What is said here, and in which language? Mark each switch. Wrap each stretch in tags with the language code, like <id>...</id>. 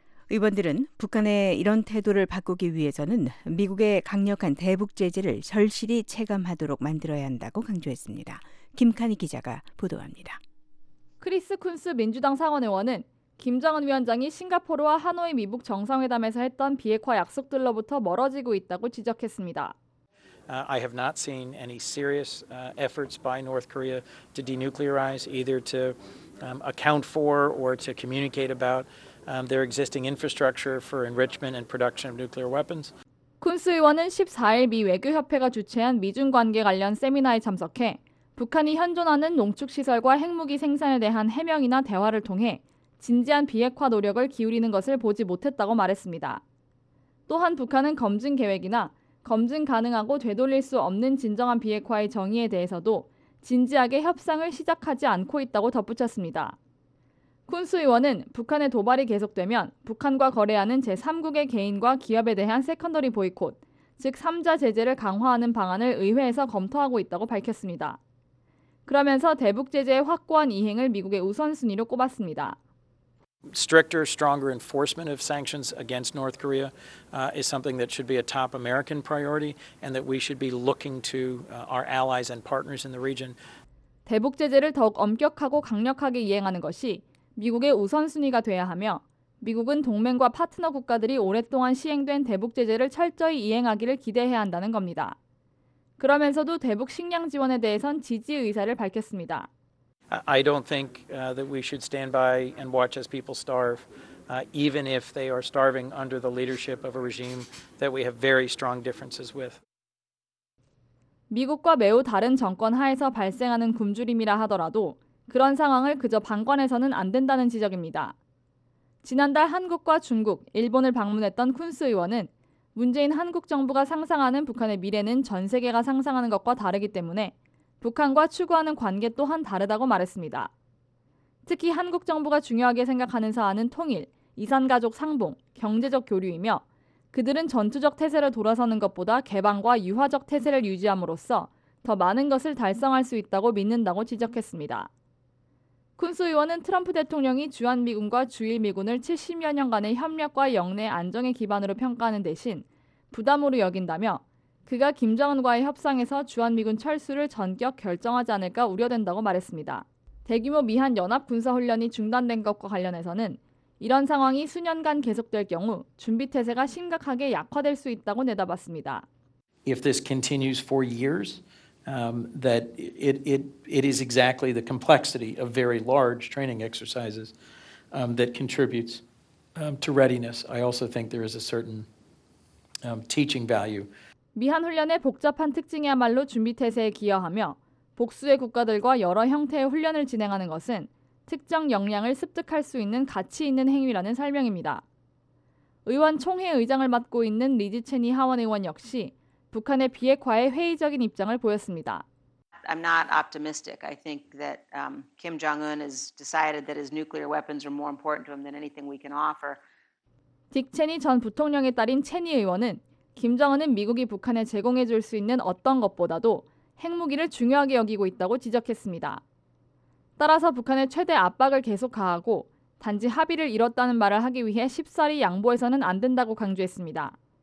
<ko>의원들은 북한의 이런 태도를 바꾸기 위해서는 미국의 강력한 대북 제재를 절실히 체감하도록 만들어야 한다고 강조했습니다. 김카니 기자가 보도합니다. 크리스 쿤스 민주당 상원 의원은 김정은 위원장이 싱가포르와 하노이 미북 정상회담에서 했던 비핵화 약속들로부터 멀어지고 있다고 지적했습니다.</ko> <en>I have not seen any serious efforts by North Korea to denuclearize either to account for or to communicate about their existing infrastructure for enrichment and production of nuclear weapons.</en> <ko>쿤스 의원은 14일 미 외교협회가 주최한 미중 관계 관련 세미나에 참석해 북한이 현존하는 농축시설과 핵무기 생산에 대한 해명이나 대화를 통해 진지한 비핵화 노력을 기울이는 것을 보지 못했다고 말했습니다. 또한 북한은 검증 계획이나 검증 가능하고 되돌릴 수 없는 진정한 비핵화의 정의에 대해서도 진지하게 협상을 시작하지 않고 있다고 덧붙였습니다. 쿤스 의원은 북한의 도발이 계속되면 북한과 거래하는 제3국의 개인과 기업에 대한 세컨더리 보이콧, 즉 3자 제재를 강화하는 방안을 의회에서 검토하고 있다고 밝혔습니다. 그러면서 대북 제재의 확고한 이행을 미국의 우선순위로 꼽았습니다.</ko> <en>Stricter, stronger enforcement of sanctions against North Korea is something that should be a top American priority and that we should be looking to our allies and partners in the region.</en> <ko>대북 제재를 더욱 엄격하고 강력하게 이행하는 것이 미국의 우선순위가 돼야 하며 미국은 동맹과 파트너 국가들이 오랫동안 시행된 대북 제재를 철저히 이행하기를 기대해야 한다는 겁니다. 그러면서도 대북 식량 지원에 대해선 지지 의사를 밝혔습니다.</ko> <en>I don't think that we should stand by and watch as people starve, even if they are starving under the leadership of a regime that we have very strong differences with.</en> <ko>미국과 매우 다른 정권 하에서 발생하는 굶주림이라 하더라도 그런 상황을 그저 방관해서는 안 된다는 지적입니다. 지난달 한국과 중국, 일본을 방문했던 쿤스 의원은 문재인 한국 정부가 상상하는 북한의 미래는 전 세계가 상상하는 것과 다르기 때문에 북한과 추구하는 관계 또한 다르다고 말했습니다. 특히 한국 정부가 중요하게 생각하는 사안은 통일, 이산가족 상봉, 경제적 교류이며 그들은 전투적 태세를 돌아서는 것보다 개방과 유화적 태세를 유지함으로써 더 많은 것을 달성할 수 있다고 믿는다고 지적했습니다. 쿤스 의원은 트럼프 대통령이 주한미군과 주일미군을 70여 년간의 협력과 영내 안정의 기반으로 평가하는 대신 부담으로 여긴다며 그가 김정은과의 협상에서 주한미군 철수를 전격 결정하지 않을까 우려된다고 말했습니다. 대규모 미한 연합군사훈련이 중단된 것과 관련해서는 이런 상황이 수년간 계속될 경우 준비태세가 심각하게 약화될 수 있다고 내다봤습니다.</ko> <en>If this continues for years, that it is exactly the complexity of very large training exercises that contributes to readiness. I also think there is a certain teaching value.</en> <ko>미한 훈련의 복잡한 특징이야말로 준비 태세에 기여하며 복수의 국가들과 여러 형태의 훈련을 진행하는 것은 특정 역량을 습득할 수 있는 가치 있는 행위라는 설명입니다. 의원 총회 의장을 맡고 있는 리지 체니 하원 의원 역시 북한의 비핵화에 회의적인 입장을 보였습니다.</ko> <en>I'm not optimistic. I think that Kim Jong-un has decided that his nuclear weapons are more important to him than anything we can offer.</en> <ko>딕 체니 전 부통령의 딸인 체니 의원은 김정은은 미국이 북한에 제공해 줄 수 있는 어떤 것보다도 핵무기를 중요하게 여기고 있다고 지적했습니다. 따라서 북한의 최대 압박을 계속 가하고 단지 합의를 이뤘다는 말을 하기 위해 쉽사리 양보해서는 안 된다고 강조했습니다.</ko>